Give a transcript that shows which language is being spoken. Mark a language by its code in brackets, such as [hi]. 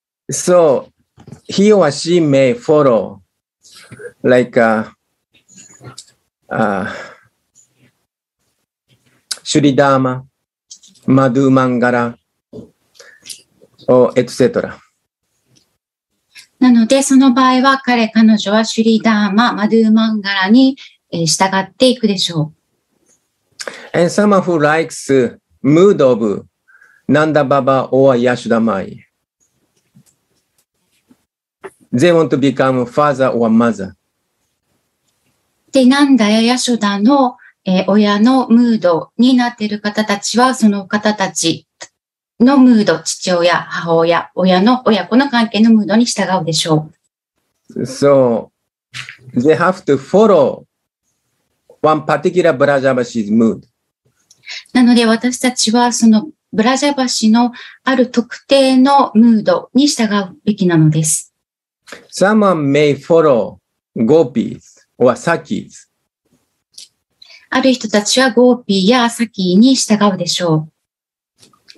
[en] So he or she may follow like シュリダーマ、マドゥマンガラ、エトセトラ。 [ja] なので、その場合は彼、彼女はシュリダーマ、マドゥマンガラに従っていくでしょう。 [en] And someone who likes mood of Nanda Baba or Yashoda Mai. They want to become father or mother. [ja] で、ナンダやヤシュダの親のムードになっている方たちは、その方たちのムード、父親、母親、親の親子の関係のムードに従うでしょう。 [en] So, they have to follow one particular Brajabashi's mood. [ja] なので、私たちはそのブラジャバシのある特定のムードに従うべきなのです。 [en] Someone may follow gopis or sakis. [ja] ある人たちはゴーピーやサキに従うでしょう。